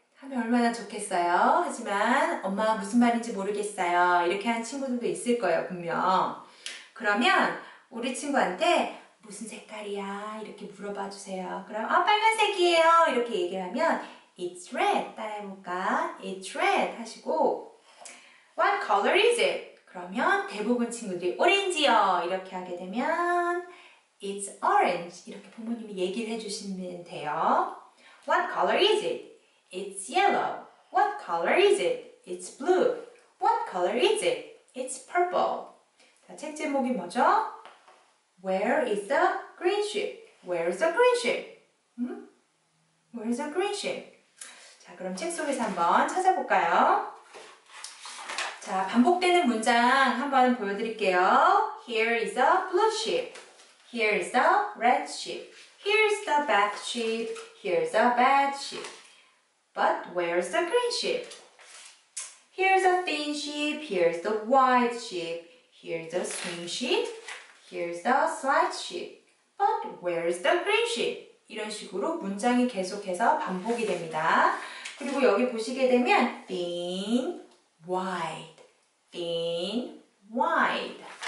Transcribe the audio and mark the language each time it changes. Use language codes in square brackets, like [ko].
[ko] 하면 얼마나 좋겠어요. 하지만 엄마가 무슨 말인지 모르겠어요. 이렇게 하는 친구들도 있을 거예요, 분명. 그러면 우리 친구한테 무슨 색깔이야? 이렇게 물어봐 주세요. 그럼 아, 빨간색이에요! 이렇게 얘기를 하면 [en] It's red. [ko] 따라해볼까? [en] It's red. [ko] 하시고 [en] What color is it? [ko] 그러면 대부분 친구들이 오렌지요. 이렇게 하게 되면 [en] It's orange. [ko] 이렇게 부모님이 얘기를 해주시면 돼요. [en] What color is it? It's yellow. What color is it? It's blue. What color is it? It's purple. [ko] 자, 책 제목이 뭐죠? [en] Where is the green ship? Where is the green ship? 음? Where is the green ship? [ko] 자, 그럼 책 속에서 한번 찾아볼까요? 자, 반복되는 문장 한번 보여드릴게요. [en] Here is a blue ship. Here is a red ship. Here's the bad ship. Here's a bad ship. But where's the green ship? Here's a thin ship. Here's the white ship. Here's a slim ship. Here's the slight ship. But where's the green ship? [ko] 이런 식으로 문장이 계속해서 반복이 됩니다. 그리고 여기 보시게 되면 [en] thin, wide, thin, wide.